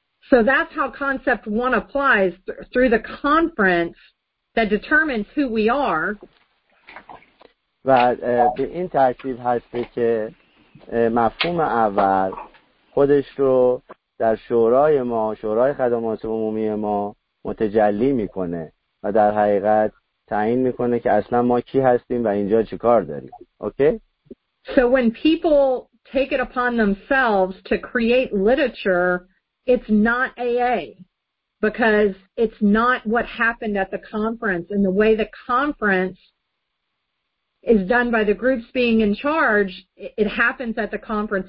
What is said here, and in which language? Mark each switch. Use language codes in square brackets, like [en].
[en] So that's how concept one applies through the conference that determines who we are. [fa] و به این ترتیب هست که مفهوم اول خودش رو در شورای ما، شورای خدمات عمومی ما متجلی میکنه و در حقیقت تعیین میکنه که اصلا ما کی هستیم و اینجا چه کار داریم. [en] Okay? So when people take it upon themselves to create literature, it's not AA because it's not what happened at the conference and the way the conference is done by the groups being in charge, it happens at the conference.